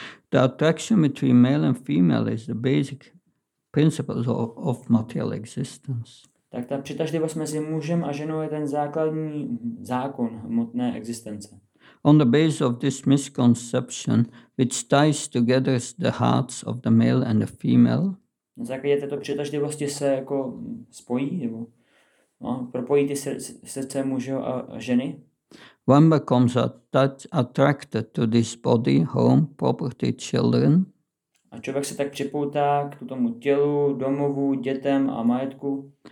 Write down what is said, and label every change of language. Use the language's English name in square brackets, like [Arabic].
[English] The attraction between male and female is the basic principles of material existence. [Czech] Tak ta přitažlivost mezi mužem a ženou je ten základní zákon hmotné existence. [English] On the base of this misconception, which ties together the hearts of the male and the female. [Czech] Na základě této přitažlivosti se jako spojí, nebo no, propojí ty srdce muže a ženy. [English] One becomes attracted to this body, home, property, children. [Czech] A člověk se tak připoutá k tomu tělu, domovu, dětem a majetku.